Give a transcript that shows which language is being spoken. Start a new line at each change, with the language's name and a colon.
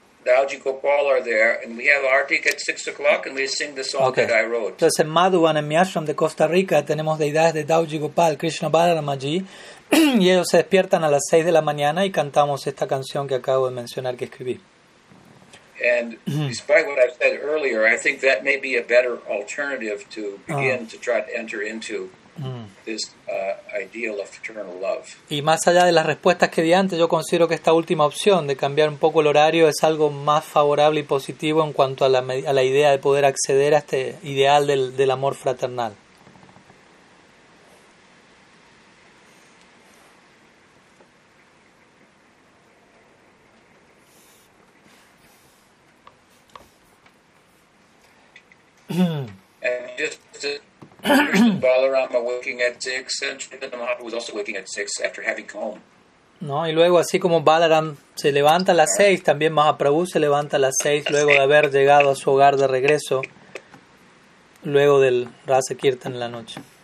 English: Dowji Gopal are there, and we have aartik at 6 o'clock, and we sing the song okay. that I wrote.
Spanish: Entonces en Maduan, en mi ashram de Costa Rica, tenemos deidades de Dowji Gopal, Krishna Balaramaji, y ellos se despiertan a las 6 de la mañana y cantamos esta canción que acabo de mencionar que escribí.
English: And despite what I've said earlier, I think that may be a better alternative to begin to try to enter into this ideal of fraternal love.
Spanish: Y más allá de las respuestas que di antes, yo considero que esta última opción de cambiar un poco el horario es algo más favorable y positivo en cuanto a la idea de poder acceder a este ideal del amor fraternal.
English: And just Balarama waking at 6 and Chaitanya Mahaprabhu was also waking at 6 after having come home.
Spanish: No, y luego así como Balaram se levanta a las 6, también Mahaprabhu se levanta a las 6 luego de haber llegado a su hogar de regreso luego del Rasa Kirtan en la noche.